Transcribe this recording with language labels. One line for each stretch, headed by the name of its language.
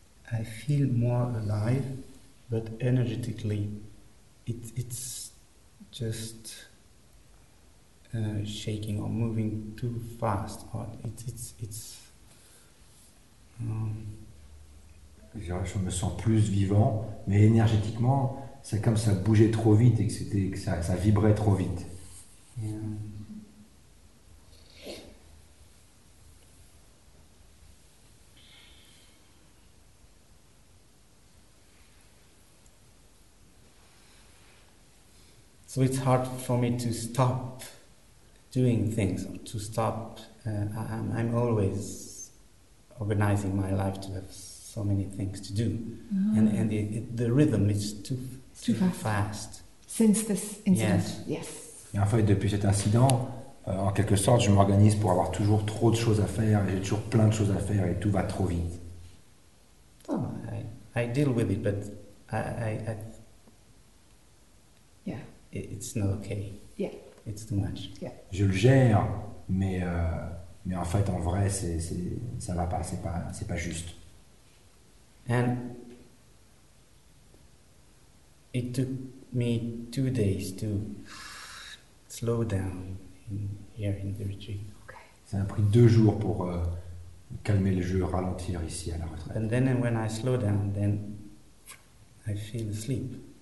English: I feel more alive, but energetically, it's just shaking or moving too fast, or it's
French: je me sens plus vivant, mais énergétiquement, c'est comme ça bougeait trop vite et que c'était que ça, ça vibrait trop vite.
English: So it's hard for me to stop doing things, to stop. I'm always organizing my life to have so many things to do. Mm-hmm. And the rhythm is too fast. Since this incident, yes.
French: Et en fait, depuis cet incident, en quelque sorte, je m'organise pour avoir toujours trop de choses à faire, et j'ai toujours plein de choses à faire, et tout va trop vite.
English: Oh, I deal with it, but I it's not okay. Yeah. It's too much. Yeah.
French: Je le gère, mais en fait, en vrai, ça va pas, c'est pas juste.
English: And it took me 2 days to slow down here in the retreat. Okay.
French: Ça a pris 2 jours pour calmer le jeu, ralentir ici à la retraite.
English: And then when I slow down, then I feel asleep.